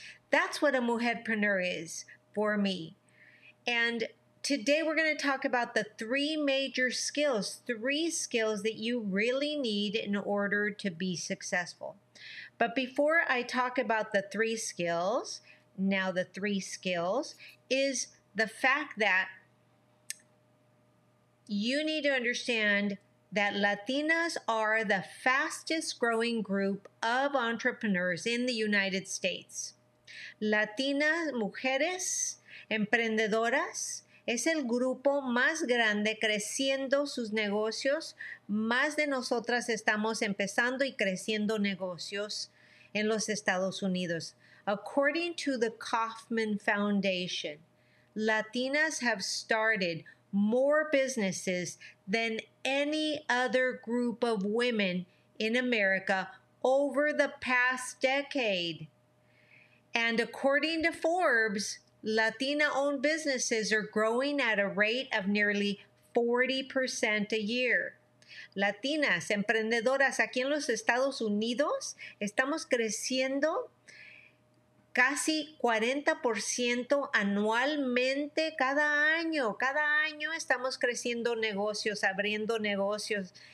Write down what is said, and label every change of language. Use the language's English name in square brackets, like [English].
[English] That's what a mujerpreneur is for me. And today we're going to talk about the three major skills, three skills that you really need in order to be successful. But before I talk about the three skills, now the three skills, is the fact that you need to understand that Latinas are the fastest growing group of entrepreneurs in the United States. [Spanish] Latinas, mujeres, emprendedoras, es el grupo más grande creciendo sus negocios. Más de nosotras estamos empezando y creciendo negocios en los Estados Unidos. [English] According to the Kauffman Foundation, Latinas have started more businesses than any other group of women in America over the past decade. And according to Forbes, Latina-owned businesses are growing at a rate of nearly 40% a year. [Spanish] Latinas, emprendedoras, aquí en los Estados Unidos, estamos creciendo casi 40% anualmente cada año. Cada año estamos creciendo negocios, abriendo negocios.